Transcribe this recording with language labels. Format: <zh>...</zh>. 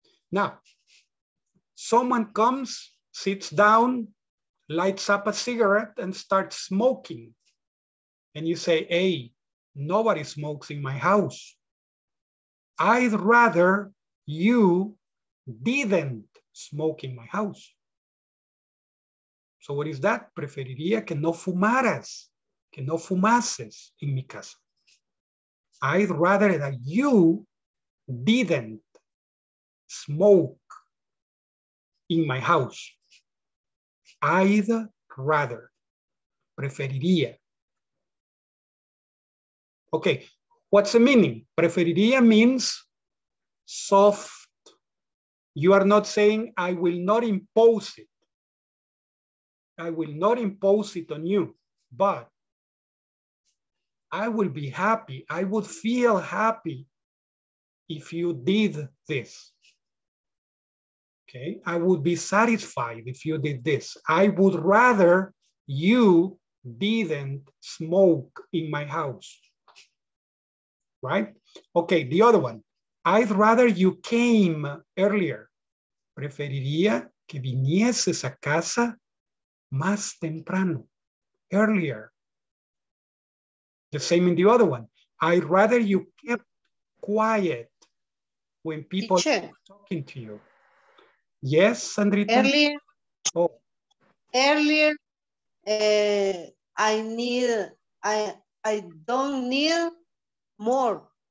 <en>Now, someone comes, sits down, lights up a cigarette and starts smoking. And you say, hey, nobody smokes in my house. I'd rather you didn't smoke in my house. So what is that?</en> <es>Preferiría que no fumaras, que no fumases en mi casa.</es> <en>I'd rather that you didn't smoke in my house. I'd rather, preferiría. Okay, what's the meaning? Preferiría means soft. You are not saying, I will not impose it. I will not impose it on you, but I will be happy. I would feel happy if you did this. Okay. I would be satisfied if you did this. I would rather you didn't smoke in my house. Right? Okay. The other one. I'd rather you came earlier.</en> <es>Preferiría que vinieses a casa más temprano, earlier.</es> <en>The same in the other one. I'd rather you kept quiet when people are talking to you. Yes, Sandrita? Earlier. Oh. Earlier, I don't need more.</en>